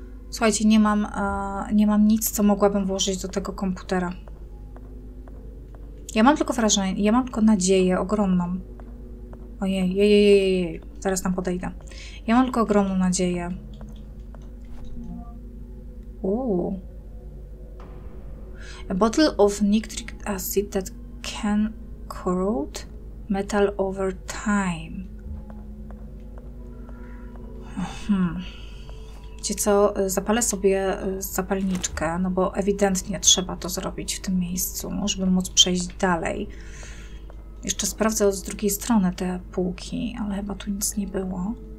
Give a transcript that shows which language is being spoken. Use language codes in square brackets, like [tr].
[pl] Słuchajcie, nie mam nic, co mogłabym włożyć do tego komputera. Ja mam tylko wrażenie, ja mam tylko nadzieję ogromną. Ojej, zaraz tam podejdę. Ja mam tylko ogromną nadzieję. [en] A bottle of nitric acid that can corrode metal over time. [pl] Wiecie co, zapalę sobie zapalniczkę, no bo ewidentnie trzeba to zrobić w tym miejscu, żeby móc przejść dalej. Jeszcze sprawdzę z drugiej strony te półki, ale chyba tu nic nie było.